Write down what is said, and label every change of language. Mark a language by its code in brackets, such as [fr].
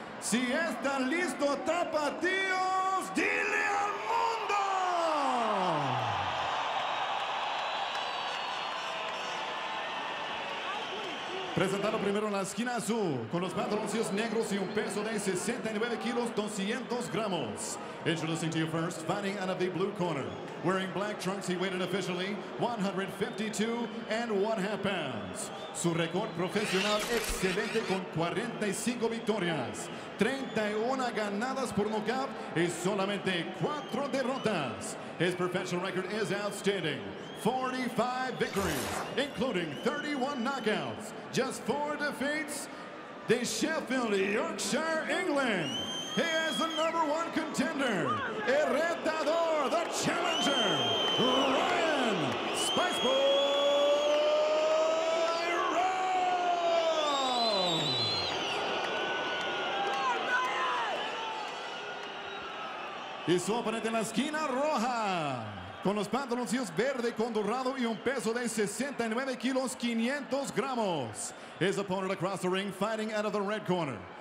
[es] Si están listos, tapatíos, dile al mundo. Presentado primero en la esquina azul, con los pantaloncillos negros y un peso de 69 kilos, 200 gramos. [en] Introducing to you first, fighting out of the blue corner. Wearing black trunks, he weighed officially 152 and 1 half pounds. [es] Su récord profesional excelente con 45 victorias, 31 ganadas por nocaut y solamente 4 derrotas. [en] His professional record is outstanding. 45 victories, including 31 knockouts. Just 4 defeats. De Sheffield, Yorkshire, England. He is the number one contender. [es] El retador, [en] the challenger. [es] Ryan Spiceboy Rhodes. Y su oponente en la esquina roja. Con los pantaloncillos verde con dorado y un peso de 69 kilos, 500 gramos. [en] His opponent across the ring fighting out of the red corner.